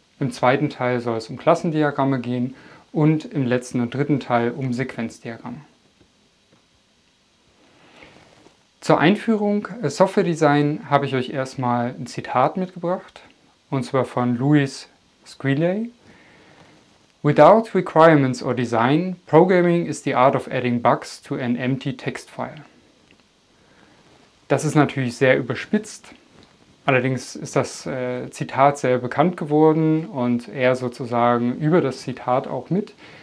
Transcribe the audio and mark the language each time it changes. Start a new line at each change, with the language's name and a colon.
German: Im zweiten Teil soll es um Klassendiagramme gehen und im letzten und dritten Teil um Sequenzdiagramme. Zur Einführung Software Design habe ich euch erstmal ein Zitat mitgebracht, und zwar von Louis Squillay.
English: Without requirements or design, programming is the art of adding bugs to an empty text file.
German: Das ist natürlich sehr überspitzt. Allerdings ist das Zitat sehr bekannt geworden und er sozusagen über das Zitat auch mit.